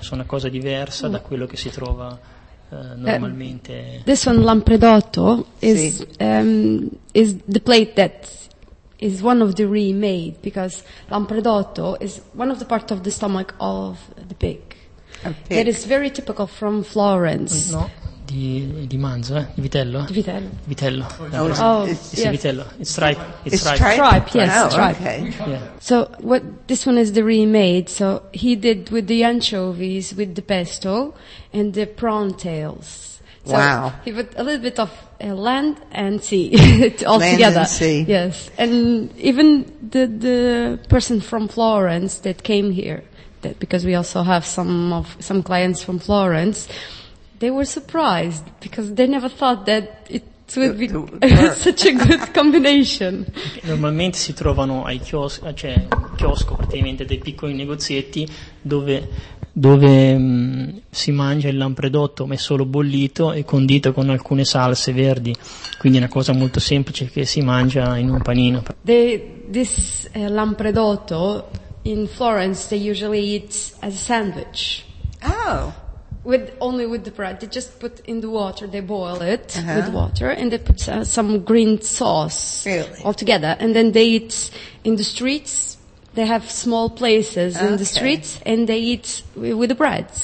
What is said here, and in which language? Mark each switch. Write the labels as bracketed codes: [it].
[it] Sono una cosa diversa da quello che si trova normalmente. [en] This one lampredotto is the plate that is one of the remade, because lampredotto is one of the parts of the stomach of the pig. It is very typical from Florence. [it] No, di manzo, di vitello. Di vitello. Vitello. Vitello. [en] It's tripe. It's tripe. Okay. Yeah. So what this one is the remade. So he did with the anchovies, with the pesto, and the prawn tails. So he put a little bit of land and sea all land together. And sea. Yes. And even the person from Florence that came here, because we also have some clients from Florence, they were surprised because they never thought that it would be such a good combination. [it] Normalmente si trovano ai chioschi, cioè chiosco praticamente dei piccoli negozietti dove si mangia il lampredotto, ma è solo bollito e condito con alcune salse verdi, quindi è una cosa molto semplice che si mangia in un panino. [en] This lampredotto in Florence, they usually eat as a sandwich. Oh. Only with the bread. They just put in the water, they boil it with water, and they put some green sauce all together. And then they eat in the streets. They have small places in the streets, and they eat with the bread.